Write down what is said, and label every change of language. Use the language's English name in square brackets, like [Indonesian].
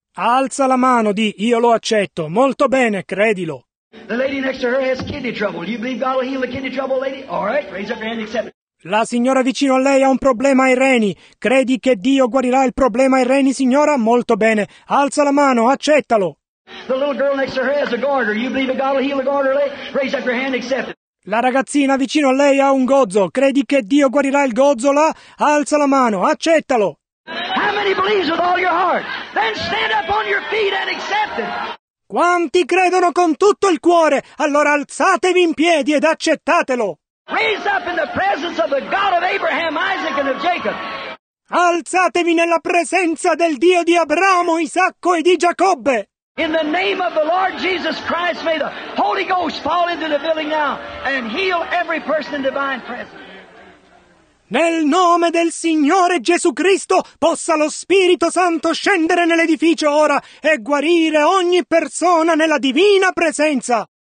[Italian] Alza la mano, di io lo accetto. Molto bene, credilo. [English] The lady next to her has kidney trouble. You believe God will heal the kidney trouble, lady? All right, raise up your hand, accept it. [Italian] La signora vicino a lei ha un problema ai reni. Credi che Dio guarirà il problema ai reni, signora? Molto bene. Alza la mano, accettalo. [English] The little girl next to her has a garter. You believe that God will heal the garter, lady? Raise up your hand, accept it. [Italian] La ragazzina vicino a lei ha un gozzo. Credi che Dio guarirà il gozzo là? Alza la mano, accettalo. [English] How many believes with all your heart? Then stand up on your feet and accept it. [Italian] Quanti credono con tutto il cuore? Allora alzatevi in piedi ed accettatelo. [English] Raise up in the presence of the God of Abraham, Isaac and of Jacob. [Italian] Alzatevi nella presenza del Dio di Abramo, Isacco e di Giacobbe. [English] In the name of the Lord Jesus Christ, may the Holy Ghost fall into the building now and heal every person in divine presence. [Italian] Nel nome del Signore Gesù Cristo, possa lo Spirito Santo scendere nell'edificio ora e guarire ogni persona nella divina presenza.